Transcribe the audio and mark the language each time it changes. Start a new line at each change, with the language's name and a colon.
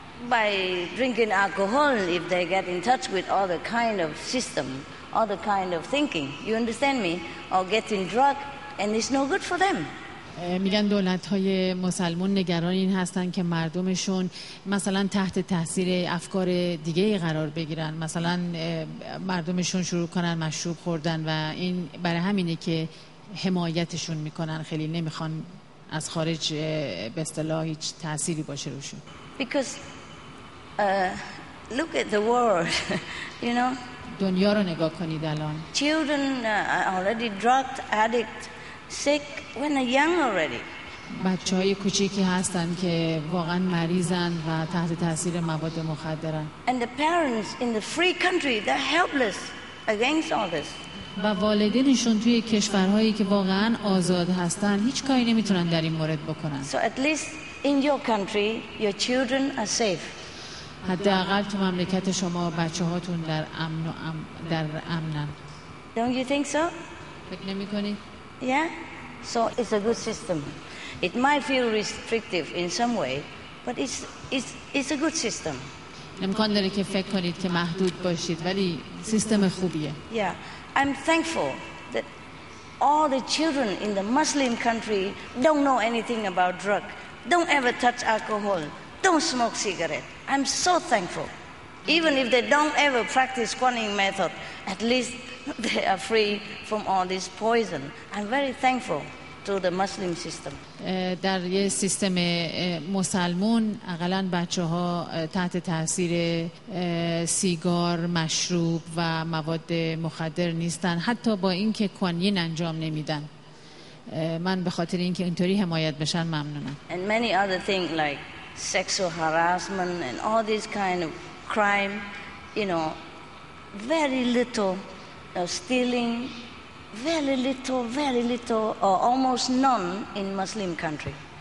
English: By drinking alcohol, if they get in touch with all the kind of system, all the kind of thinking, you understand me? Or getting drug, and it's no good for them.
Persian: میگن دولت‌های مسلمان نگران این هستن که مردمشون مثلا تحت تاثیر افکار دیگه قرار بگیرن، مثلا مردمشون شروع کنن مشروب خوردن، و این برای همینه که حمایتشون میکنن، خیلی نمیخوان از خارج به اصطلاح هیچ تأثیری باشه روشون.
English: Look at the world, you know.
Persian: دنیا رو نگاه کنید الان.
English: Children are already drugged, addict, sick when they're young already.
Persian: بچه های کوچیکی هستن که واقعا مریضن و تحت تاثیر مواد مخدرن.
English: And the parents in the free country, they're helpless against all this.
Persian: و والدینشون توی کشورهایی که واقعا آزاد هستن هیچ کاری نمیتونن در این مورد بکنن.
English: So at least in your country, your children are safe.
Persian: حداقل تو مملکت شما بچه هاتون در امن و در امنن.
English: Don't you think so?
Persian: فکر نمی کنی؟
English: Yeah. So it's a good system. It might feel restrictive in some way, but it's a good system.
Persian: امکان داره که فکر کنید که محدود باشید، ولی سیستم خوبیه.
English: Yeah. I'm thankful that all the children in the Muslim country don't know anything about drug. Don't ever touch alcohol. Don't smoke cigarette. I'm so thankful. Even if they don't ever practice quantum method, at least they are free from all this poison. I'm very thankful to the Muslim system.
Persian: در یه سیستم مسلمون حداقل بچه‌ها تحت تاثیر سیگار، مشروب و مواد مخدر نیستن، حتی با اینکه کوانین انجام نمیدن. من به خاطر اینکه اینطوری حمایت بشن ممنونم.
English: And many other things like sexual harassment and all these kind of crime, you know, very little stealing, very little or almost none in Muslim country.